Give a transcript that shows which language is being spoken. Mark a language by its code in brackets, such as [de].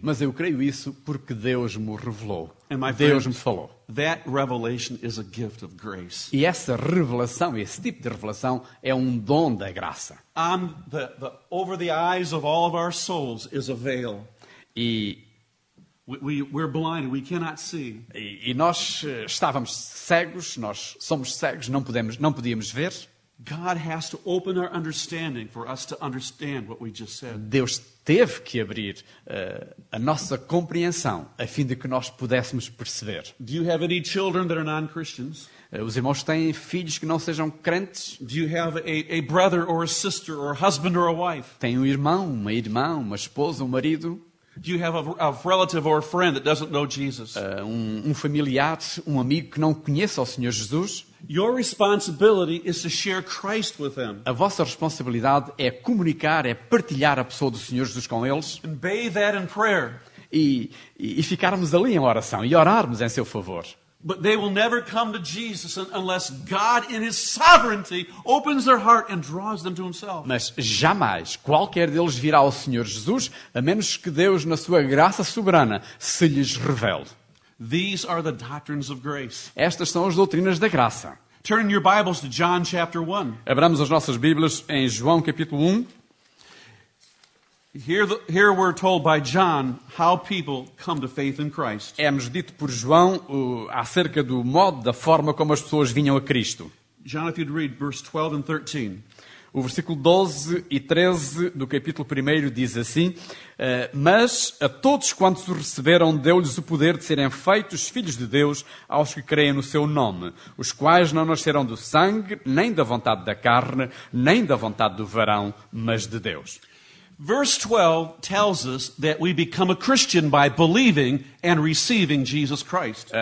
[pt] Mas eu creio isso porque Deus me revelou. Deus me falou. [en] That revelation is a gift of grace. [pt] E essa revelação, esse tipo de revelação, é um dom da graça. [en] The over the eyes of all of our souls is a veil. [pt] E [en] we're blind, we cannot see. [pt] E nós estávamos cegos, nós somos cegos, não podíamos ver. [en] God has to open our understanding for us to understand what we just said. [pt] Deus teve que abrir a nossa compreensão a fim de que nós pudéssemos perceber. [en] Do you have any children that are non-Christians? [pt] Os irmãos têm filhos que não sejam crentes? [en] Do you have a brother or a sister or a husband or a wife? [pt] Tem um irmão, uma irmã, uma esposa, um marido? [en] Do you have a relative or a friend that doesn't know Jesus? [pt] Um familiar, um amigo que não conheça o Senhor Jesus? [en] Your responsibility is to share Christ with them. [pt] A vossa responsabilidade é comunicar, é partilhar a pessoa do Senhor Jesus com eles. [en] And bathe that in prayer. [pt] E ficarmos ali em oração e orarmos em seu favor. [en] But they will never come to Jesus unless God in his sovereignty opens their heart and draws them to himself. [pt] Mas jamais qualquer deles virá ao Senhor Jesus a menos que Deus na sua graça soberana se lhes revele. [en] These are the doctrines of grace. [pt] Estas são as doutrinas da graça. [en] Turn your Bibles to John chapter 1. [pt] Abramos as nossas Bíblias em João capítulo 1. [en] Here we're told by John how people come to faith in Christ. [pt] É-nos dito por João acerca do modo, da forma como as pessoas vinham a Cristo. [en] John, if you'd read verse 12 and 13. [pt] O versículo 12 e 13 do capítulo 1 diz assim: Mas a todos quantos o receberam, deu-lhes o poder de serem feitos filhos de Deus aos que creem no seu nome, os quais não nasceram do sangue, nem da vontade da carne, nem da vontade do varão, mas de Deus. [en] Verse 12 tells us that we become a Christian by believing and receiving Jesus Christ.